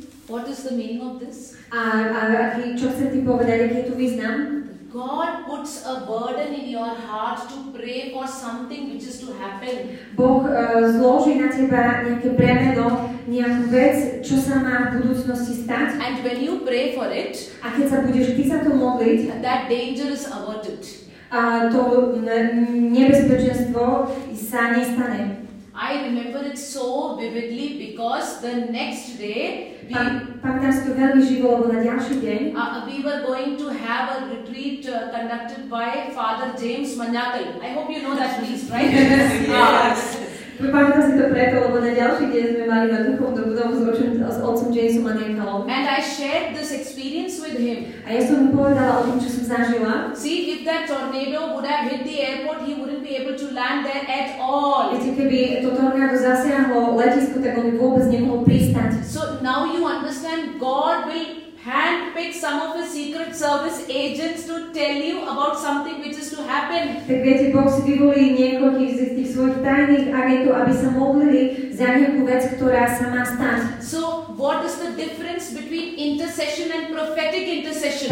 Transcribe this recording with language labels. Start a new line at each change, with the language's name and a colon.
English: What is the meaning of this?
Slovak: Čo chcem ti povedať, aký je tu význam?
English: God puts a burden in your heart to pray for something which is to happen.
Slovak: Boh zloží na teba nejaké bremeno, nejakú vec, čo sa má v budúcnosti stať.
English: And when you pray for it,
Slovak: a keď sa budeš ty za to modliť,
English: that danger is averted.
Slovak: A to nebezpečenstvo sa nestane.
English: I remember it so vividly because the next day we were going to have a retreat conducted by Father James Manyakal. I hope you know that please, right? Yes. Yes.
Slovak: Pamätám si to preto, lebo na ďalší deň sme mali na duchovnú budovu s otcom Jamesom a Nekalom.
English: And I shared this experience with him.
Slovak: A ja som mu povedala o tom, čo som zažila.
English: See, if that tornado would have hit the airport, he wouldn't be able to land there at all.
Slovak: Viete, keby to tornado zasiahlo letisko, tak on by vôbec nemohol pristať.
English: So now you understand, God will handpick some of his secret service agents to tell you about something which is to happen.
Slovak: Tak viete, Boh si vyvolí niekoľkých z tých svojich tajných agentov, aby sa modlili za nejakú vec, ktorá sa má stať.
English: So, what is the difference between intercession and prophetic intercession?